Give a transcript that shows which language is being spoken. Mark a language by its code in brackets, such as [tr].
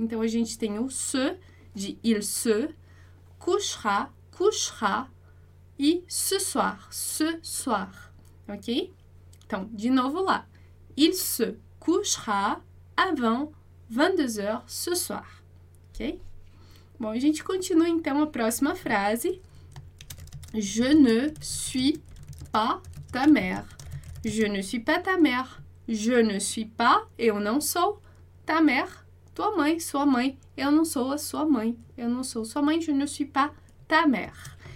[pt] Então, a gente tem o se de [fr] il se couchera, [pt] couchera e [fr] ce soir. Ce soir. [pt] Ok? Então, de novo lá. [fr] Il se couchera avant 22h ce soir. Ok? [pt] Bom, a gente continua então a próxima frase. [fr] Je ne suis pas ta mère. Je ne suis pas ta mère. Je ne suis pas, [pt] eu não sou, [fr] ta mère, [pt] tua mãe, sua mãe. Eu não sou a sua mãe. Eu não sou sua mãe. [fr] Je ne suis pas ta mère.